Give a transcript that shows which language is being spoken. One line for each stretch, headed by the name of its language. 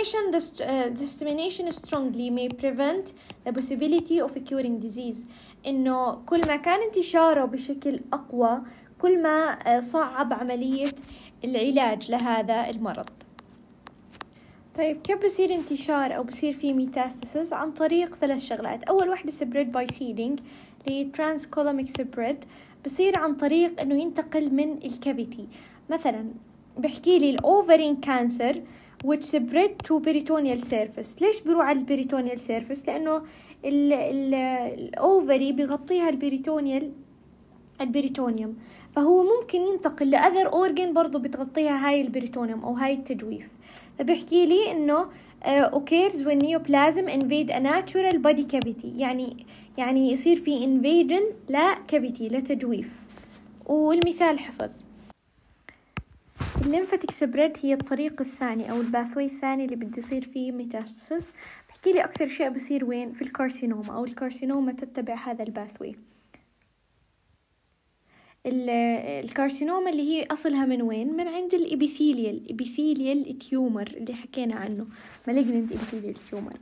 English: dissemination strongly may prevent the possibility of curing disease.
Arabic: إنه كل ما كان انتشاره بشكل أقوى كل ما صعب عملية العلاج لهذا المرض. طيب كيف بصير انتشار او بصير فيه ميتاستاسيس؟ عن طريق ثلاث شغلات. اول واحدة سبريد باي سيدينج، اللي ترانس كولوميك سبريد، بصير عن طريق انه ينتقل من الكافيتي. مثلا بحكي لي الاوفرين كانسر
English: which spread to peritoneal surface.
Arabic: ليش بروح على البيريتونيال سيرفس؟ لانه الاوفري بغطيها البيريتونيوم، فهو ممكن ينتقل لأذر أورجين برضو بتغطيها هاي البريتونيوم أو هاي التجويف. فبيحكي لي إنه
English: occurs when neoplasm invade a natural body cavity،
Arabic: يعني يصير في invasion لا cavity لتجويف. والمثال حفظ الليمفاتيك سبريد هي الطريق الثاني أو الباثوي الثاني اللي بده يصير فيه ميتاستاسيس. بحكي لي أكثر شيء بصير وين؟ في الكارسينوما، أو الكارسينوما تتبع هذا الباثوي. الكارسينوما اللي هي أصلها من وين؟ من عند الإبيثيليال تيومر اللي حكينا عنه، مالجنت إبيثيليال تيومر.